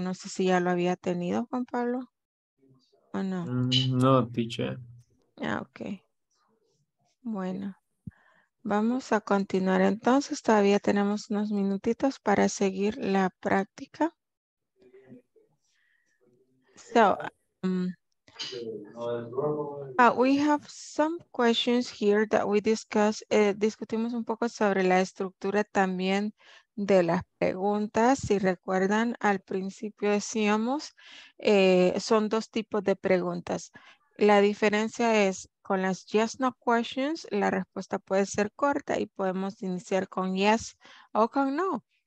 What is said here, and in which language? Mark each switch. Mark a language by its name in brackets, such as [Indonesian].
[Spanish] No sé si ya lo había tenido Juan Pablo o no. No, teacher. Ah, okay. Bueno, vamos a continuar entonces. Todavía tenemos unos minutitos para seguir la práctica. [English] So, we have some questions here that we discussed. [Spanish] Discutimos un poco sobre la estructura también de las preguntas. Si recuerdan, al principio decíamos, son dos tipos de preguntas. La diferencia es con las [English] yes, no questions, [Spanish] la respuesta puede ser corta y podemos iniciar con yes o con no.